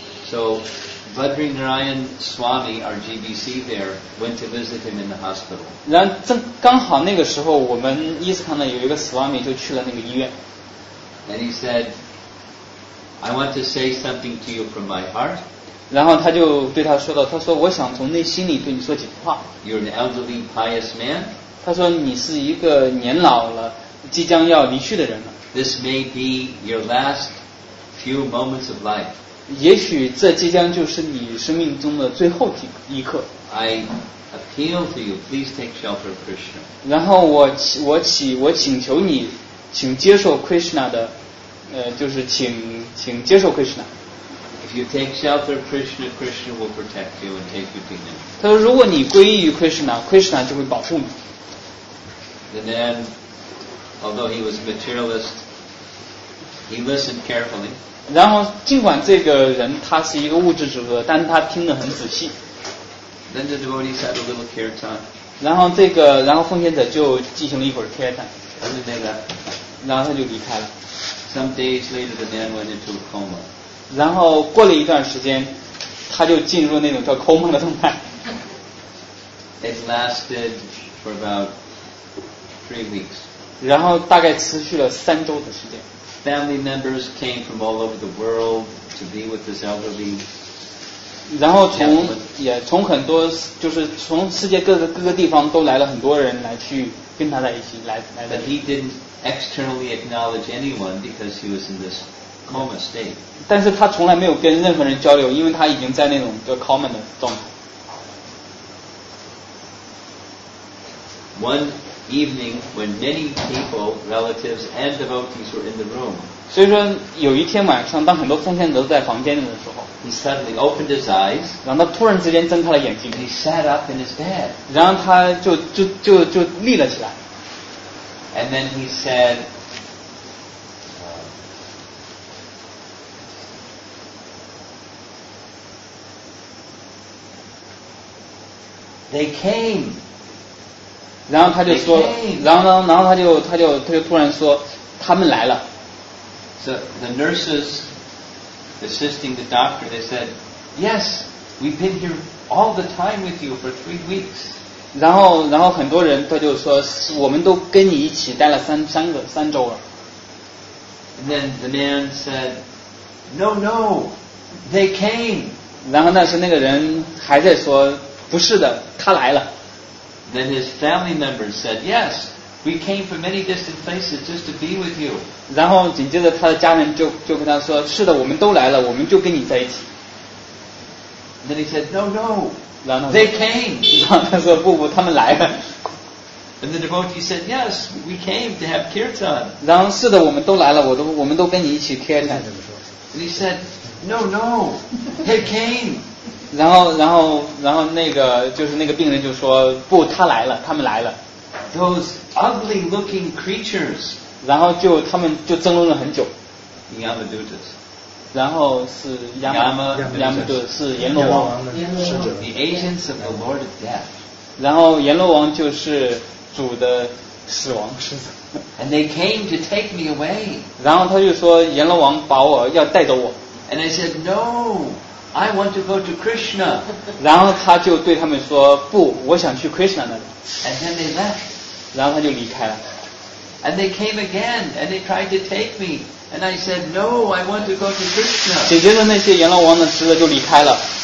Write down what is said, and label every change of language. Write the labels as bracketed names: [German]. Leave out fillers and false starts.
[English] So,Badri Narayan Swami, our GBC there, went to visit him in the hospital. [Chinese] 然后正刚好那个时候，我们伊斯坎呢有一个 Swami 就去了那个医院。 [English] And he said, "I want to say something to you from my heart." [Chinese] 然后他就对他说道："他说我想从内心里对你说几句话。 [English] You're an elderly, pious man." [Chinese] 他说你是一个年老了，即将要离去的人了。 [English] This may be your last few moments of life. [Chinese] 也许这即将就是你生命中的最后一刻。 [English] I appeal to you, please take shelter of Krishna. [Chinese] 然后我请求你，请接受 Krishna 的，就是请接受 Krishna。 [English] If you take shelter of Krishna, Krishna will protect you and take you to him. [Chinese] 他说，如果你皈依于 Krishna, Krishna 就会保护你。 [English] The man, although he was a materialist, he listened carefully. [Chinese] 然后尽管这个人他是一个物质主义，但他听得很仔细。 [English] Then the devotee said a little kirtan. [Chinese] 然后奉献者就进行了一会儿 kirtan. [English] And then they left. [Chinese] 然后他就离开了。 [English] Some days later, the man went into a coma. [Chinese] 然后过了一段时间，他就进入那种叫 coma 的状态。 [English] It lasted for about 3 weeks. [Chinese] 然后大概持续了三周的时间。 [English] Family members came from all over the world to be with this elderly. [Chinese] 然后从很多就是从世界各个地方都来了很多人来去跟他在一起来。 [English] But he didn't externally acknowledge anyone because he was in this coma state. [Chinese] 但是他从来没有跟任何人交流，因为他已经在那种叫 coma 的状态。 [English] One evening when many people, relatives and devotees were in the room. [Chinese] 所以说有一天晚上当很多奉献者在房间里的时候， [English] he suddenly opened his eyes. [Chinese] 然后他突然之间睁开了眼睛， [English] he sat up in his bed. [Chinese] 然后他就立了起来。 [English] And then he said, they came. [Chinese] 然后他就说，然后他就突然说，他们来了。 [English] So the nurses assisting the doctor, they said, "Yes, we've been here all the time with you for 3 weeks." [Chinese] 然后很多人他就说，我们都跟你一起待了三周了。 [English] And then the man said, "No, no, they came." [Chinese] 然后那个人还在说，不是的，他来了。 [English] Then his family members said, "Yes, we came from many distant places just to be with you." [Chinese] 然后紧接着他的家人就跟他说，是的，我们都来了，我们就跟你在一起。 [English] Then he said, "No, no, they came." [Chinese] 然后他说，不，他们来了。 [English] And the devotee said, "Yes, we came to have kirtan." [Chinese] 然后是的，我们都来了，我们都跟你一起 kirtan。 [English] And he said, "No, no, they came." [Chinese] 然后那个病人就说，不，他来了，他们来了。 [English] Those ugly looking creatures. [Chinese] 然后就他们就争论了很久。 [English] Yamadutas. [Chinese] 然后是 [English] Yamadutas [Chinese] 是阎罗王。 [English] The agents of the Lord of Death. [Chinese] 然后阎罗王就是主的死亡使者。 [English] And they came to take me away. [Chinese] 然后他就说，阎罗王把我要带走我。 [English] And I said, "No, I want to go to Krishna." [Chinese] 然后他就对他们说，不，我想去 Krishna 那里。 [English] And then they left. [Chinese] 然后他就离开了。 [English] And they came again, and they tried to take me. And I said, "No, I want to go to Krishna." [Chinese] 紧接着那些阎罗王的使者就离开了。